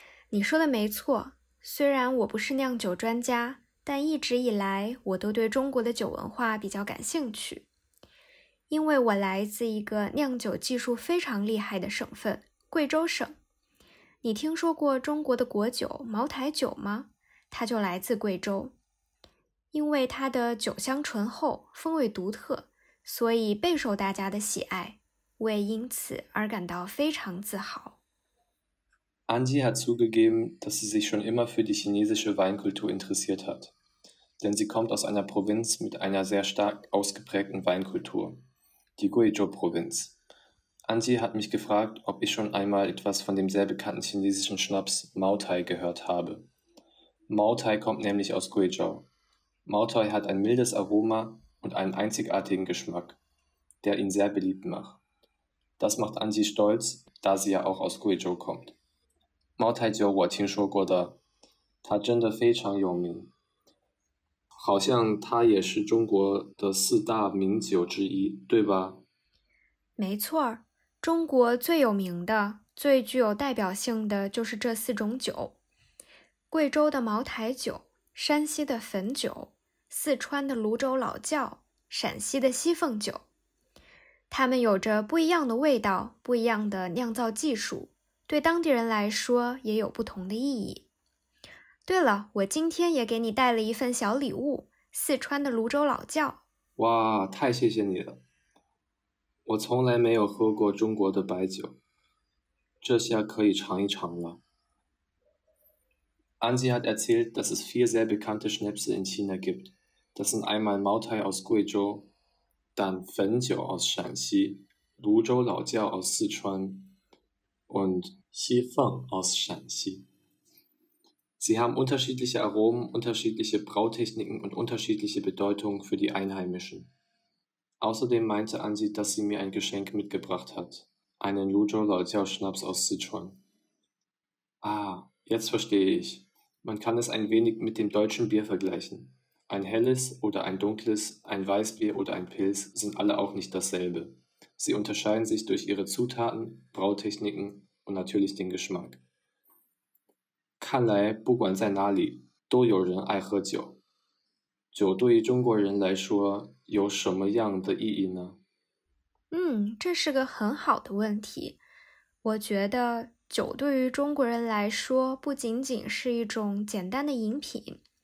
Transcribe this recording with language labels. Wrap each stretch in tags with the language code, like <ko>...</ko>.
<zh>你说的没错，虽然我不是酿酒专家，但一直以来我都对中国的酒文化比较感兴趣，因为我来自一个酿酒技术非常厉害的省份，贵州省。你听说过中国的国酒茅台酒吗？它就来自贵州。因为它的酒香醇厚，风味独特，所以备受大家的喜爱，我也因此而感到非常自豪。</zh> <de>Angie hat zugegeben, dass sie sich schon immer für die chinesische Weinkultur interessiert hat, denn sie kommt aus einer Provinz mit einer sehr stark ausgeprägten Weinkultur, die Guizhou-Provinz. Angie hat mich gefragt, ob ich schon einmal etwas von dem sehr bekannten chinesischen Schnaps Maotai gehört habe. Maotai kommt nämlich aus Guizhou. Maotai hat ein mildes Aroma und einen einzigartigen Geschmack, der ihn sehr beliebt macht. Das macht Angie stolz, da sie ja auch aus Guizhou kommt.</de> <zh>茅台酒我听说过的，它真的非常有名，好像它也是中国的四大名酒之一，对吧？没错，中国最有名的、最具有代表性的就是这四种酒：贵州的茅台酒、山西的汾酒、四川的泸州老窖、陕西的西凤酒。它们有着不一样的味道，不一样的酿造技术，对当地人来说也有不同的意义。对了，我今天也给你带了一份小礼物，四川的泸州老窖。哇，太谢谢你了。我从来没有喝过中国的白酒，这下可以尝一尝了。</zh> <de>Angie hat erzählt, dass es vier sehr bekannte Schnäpse in China gibt. Das sind einmal Maotai aus Guizhou, dann 汾酒 aus 陕西，泸州老窖 aus 四川。 Und Xifeng aus Shanxi. Sie haben unterschiedliche Aromen, unterschiedliche Brautechniken und unterschiedliche Bedeutung für die Einheimischen. Außerdem meinte Anzi, dass sie mir ein Geschenk mitgebracht hat. Einen Luzhou Laojiao Schnaps aus Sichuan. Ah, jetzt verstehe ich. Man kann es ein wenig mit dem deutschen Bier vergleichen. Ein helles oder ein dunkles, ein Weißbier oder ein Pils sind alle auch nicht dasselbe. Sie unterscheiden sich durch ihre Zutaten, Brautechniken und natürlich den Geschmack.</de> <zh>看来不管在哪里都有人爱喝酒。酒对于中国人来说有什么样的意义呢？这是个很好的问题。我觉得酒对于中国人来说不仅仅是一种简单的饮品。</zh>